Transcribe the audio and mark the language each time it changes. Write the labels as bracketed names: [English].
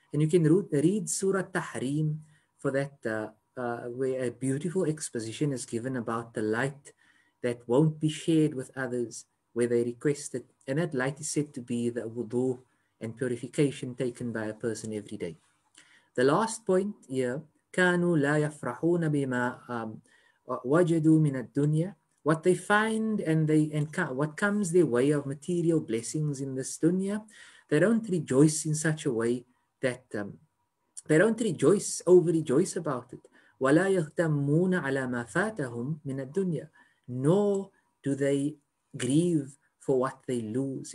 [English] And you can read Surah Tahrim for that, where a beautiful exposition is given about the light that won't be shared with others where they request it. And that light is said to be the wudu and purification taken by a person every day. The last point here, [Arabic] كَانُوا لَا يَفْرَحُونَ بِمَا وَجَدُوا مِنَ الدُّنْيَا. [English] What they find and they encounter, what comes their way of material blessings in this dunya, they don't rejoice in such a way that they don't rejoice about it. [Arabic] وَلَا يَغْتَمُّونَ عَلَى مَا فَاتَهُمْ مِنَ الدُّنْيَا. [English] Nor do they grieve for what they lose.